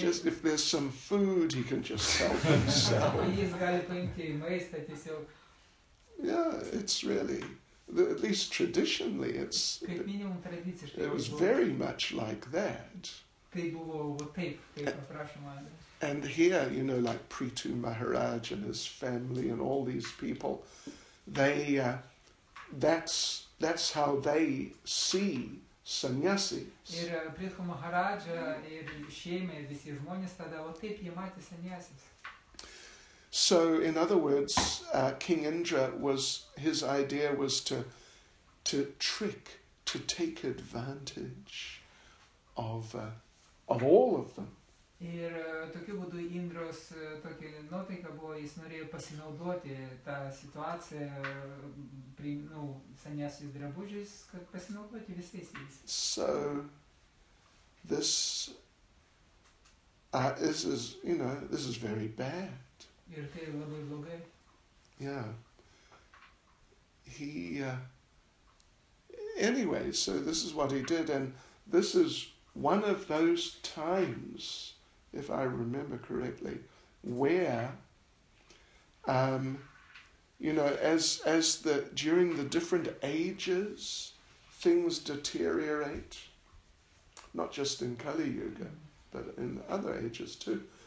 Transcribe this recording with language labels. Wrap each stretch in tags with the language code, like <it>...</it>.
<en>Just if there's some food, he can just help himself.</en> <lt>Jis gali paimti maistą tiesiog.</lt> <en>Yeah, it's really... At least traditionally, it's...</en> <lt>Kaip minimum tradiciškai.</lt> <en>It was very much like that.</en> <lt>Tai buvo taip aprašoma.</lt> <en>And here, you know, like Prithu Maharaj and his family and all these people, they that's how they see sannyasi.</en> <lt>Ir Prithu Maharaj ir šeima ir visi žmonės tada o taip jie matė sannyasis.</lt> <en>So in other words, King Indra, was his idea was to trick to take advantage of all of them.</en> <lt>Ir tokiu būdu Indros tokia nuotaika buvo, jis norėjo pasinaudoti tą situaciją, senesis drabužis, kad pasinaudoti visais jais.</lt> <en>So, this, this is, you know, this is very bad.</en> <lt>Ir tai labai blogai.</lt> <en>Yeah. He, anyway, so this is what he did, and this is one of those times, if I remember correctly, where, you know, as the during the different ages, things deteriorate, not just in Kali Yuga, but in other ages too.</en>